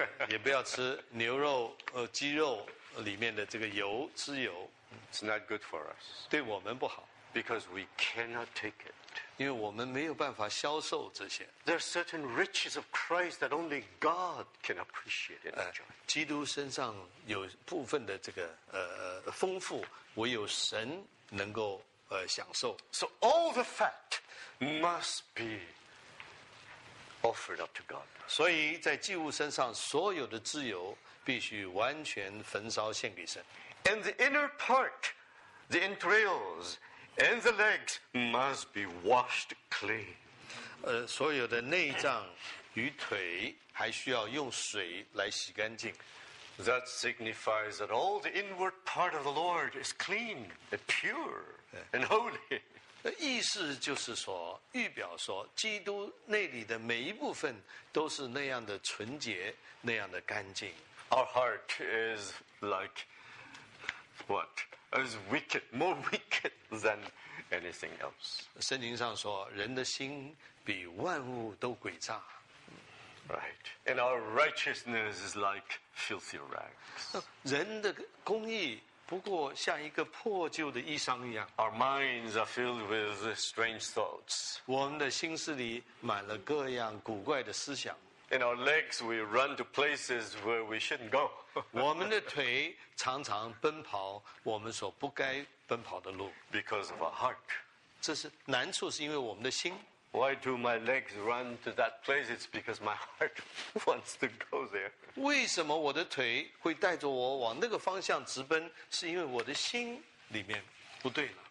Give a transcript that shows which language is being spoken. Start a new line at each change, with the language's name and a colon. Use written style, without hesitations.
Chinese: 也不要吃牛肉、鸡肉里面的这个油、脂油。
English: It's not good for us.
Chinese: 对我们不好。
English: Because we cannot take it.
Chinese: 因为我们没有办法消受这些。
English: There are certain riches of Christ that only God can appreciate and enjoy.
Chinese: 基督身上有部分的这个丰富，唯有神能够享受。
English: So all the fat must be offered up to God.
Chinese: 所以在祭物身上所有的脂油必须完全焚烧献给神。
English: And the inner part, the entrails. And the legs must be washed clean.
Chinese: 所有的内脏与腿还需要用水来洗干净。
English: That signifies that all the inward part of the Lord is clean, and pure, and holy.
Chinese: 意思就是说，预表说，基督内里的每一部分都是那样的纯洁，那样的干净。
English: Our heart is like what? Is wicked, more wicked than anything else.
Chinese: 圣经上说，人的心比万物都诡诈。
English: Right, and our righteousness is like filthy rags.
Chinese: 人的公义不过像一个破旧的衣裳一样。
English: Our minds are filled with strange thoughts.
Chinese: 我们的心思里满了各样古怪的思想。
English: In our legs, we run to places where we shouldn't go.
Chinese: 我们的腿常常奔跑我们所不该奔跑的路。
English: Because of our heart.
Chinese: 这是难处，是因为我们的心。
English: Why do my legs run to that place? It's because my heart wants to go there.
Chinese: 为什么我的腿会带着我往那个方向直奔？是因为我的心里面不对了。